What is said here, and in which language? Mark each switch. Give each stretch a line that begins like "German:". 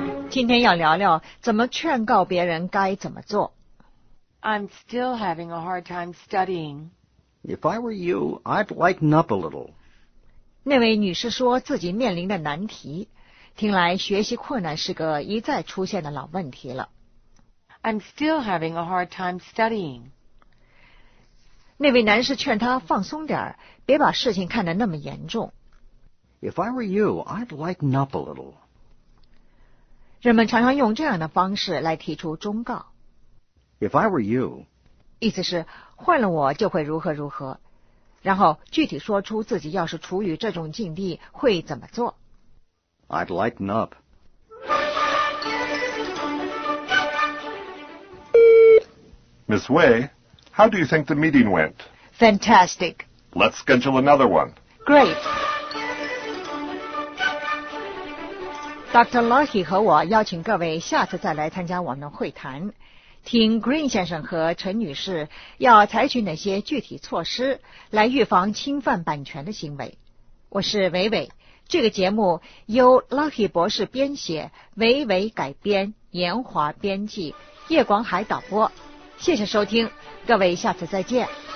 Chinese: 今天要聊聊怎么劝告别人该怎么做。
English: I'm still having a hard time studying. If I were you, I'd lighten up a little.
Chinese: 那位女士说自己面临的难题，听来学习困难是个一再出现的老问题了。
English: I'm still having a hard time studying.
Chinese: 那位男士劝他放松点儿，别把事情看得那么严重。
English: If I were you, I'd lighten up a little.
Chinese: 人们常常用这样的方式来提出忠告。
English: If I were you,
Chinese: 意思是换了我就会如何如何，然后具体说出自己要是处于这种境地会怎么做。
English: I'd lighten up. Miss Wei. How do you think the meeting went? Fantastic. Let's schedule another one. Great. Dr.
Chinese: Lahey 和我邀请各位下次再来参加我们的会谈，听 Green 先生和陈女士要采取哪些具体措施来预防侵犯版权的行为。我是维维，这个节目由 Lahey 博士编写，维维改编，严华编辑，叶广海导播。谢谢收听，各位下次再见。